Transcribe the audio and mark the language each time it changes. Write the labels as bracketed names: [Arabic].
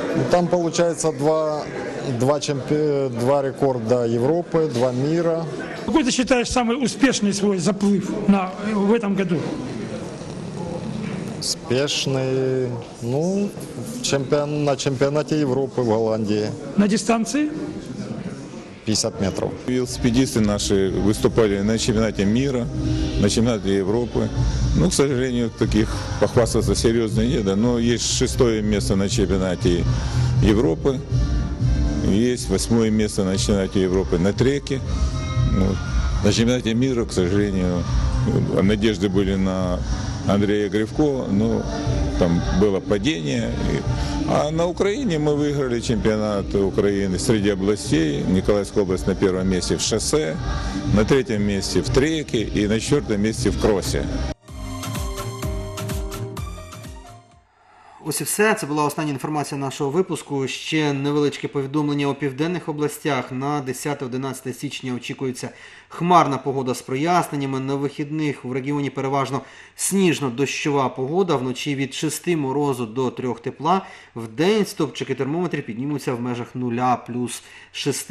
[Ukrainian] Там виходить два рекорди Європи, два міра. Який ти вважаєш найуспішний свій заплив в цьому році? Успішний? Ну, на чемпіонаті Європи в Голландії. На дистанції? [Russian] 50 метров. Велосипедисты наши выступали на чемпионате мира, на чемпионате Европы. Ну, к сожалению, таких похвастаться серьезно не да. Но есть 6-е место на чемпионате Европы, есть 8-е место на чемпионате Европы на треке. Ну, на чемпионате мира, к сожалению, надежды были на Андрея Гривко, но там было падение. А на Украине мы выиграли чемпионат Украины среди областей. Николаевская область на первом месте в шоссе, на третьем месте в треке и на четвертом месте в кросе. [Ukrainian] Ось і все. Це була остання інформація нашого випуску. Ще невеличке повідомлення у південних областях. На 10-11 січня очікується хмарна погода з проясненнями. На вихідних в регіоні переважно сніжно-дощова погода. Вночі від 6 морозу до 3 тепла. В день стовпчики термометрів піднімуться в межах 0 плюс 6.